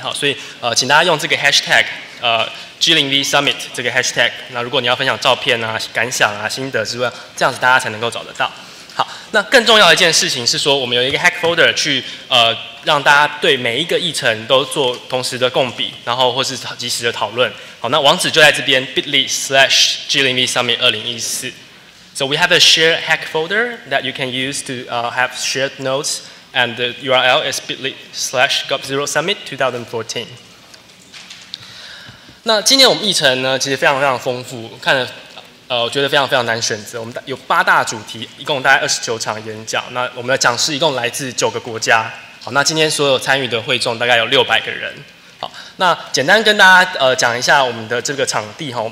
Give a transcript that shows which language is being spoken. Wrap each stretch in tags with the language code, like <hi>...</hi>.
<zh>好，所以请大家用这个 Hashtag G0V Summit 这个 hashtag， 那如果你要分享照片啊、感想啊、心得之外，这样子大家才能够找得到。好，那更重要的一件事情是说，我们有一个 hack folder 去让大家对每一个议程都做同时的共笔，然后或是及时的讨论。好，那网址就在这边 bit.ly/G0V Summit 2014。</zh> <en>So we have a shared hack folder that you can use to have shared notes, and the URL is bit.ly/GOP0Summit2014。</en> <zh>那今天我们议程呢，其实非常非常丰富，看了，我觉得非常非常难选择。我们有八大主题，一共大概29场演讲。那我们的讲师一共来自9个国家。好，那今天所有参与的会众大概有600个人。好，那简单跟大家讲一下我们的这个场地哈。</zh>